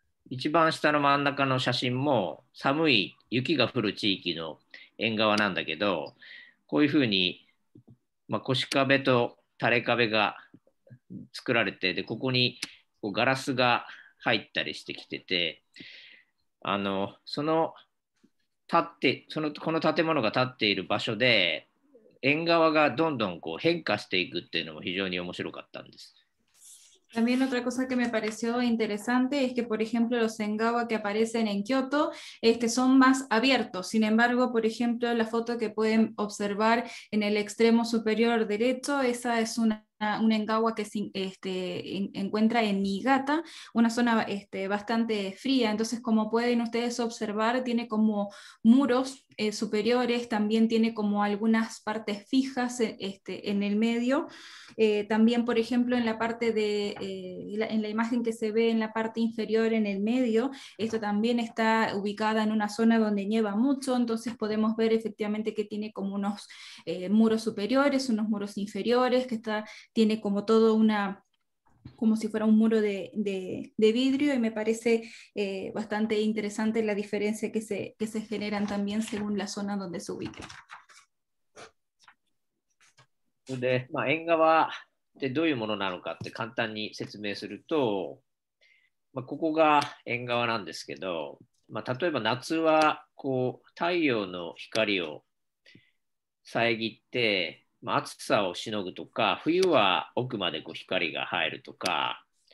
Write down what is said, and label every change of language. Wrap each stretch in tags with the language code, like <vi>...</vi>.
<ja>一番下の真ん中の写真も寒い雪が降る地域の縁側なんだけど、こういうふうに、まあ、腰壁と垂れ壁が作られて、でここにこうガラスが入ったりしてきてて、その立ってそのこの建物が立っている場所で縁側がどんどんこう変化していくっていうのも非常に面白かったんです。</ja> <es>También otra cosa que me pareció interesante es que, por ejemplo, los engawa que aparecen en Kioto son más abiertos. Sin embargo, por ejemplo, la foto que pueden observar en el extremo superior derecho, esa es un engawa que encuentra en Niigata, una zona bastante fría. Entonces, como pueden ustedes observar, tiene como muros superiores, también tiene como algunas partes fijas en el medio. También, por ejemplo, en la parte de en la imagen que se ve en la parte inferior en el medio, esto también está ubicada en una zona donde nieva mucho, entonces podemos ver efectivamente que tiene como unos muros superiores, unos muros inferiores, que tiene como todo una, como si fuera un muro de vidrio, y me parece bastante interesante la diferencia que se generan también según la zona donde se ubique.</es> <ja>でまあ、縁側ってどういうものなのかって簡単に説明すると、まあ、ここが縁側なんですけど、まあ、例えば夏はこう太陽の光を遮って、まあ、暑さをしのぐとか、冬は奥までこう光が入るとか、</ja>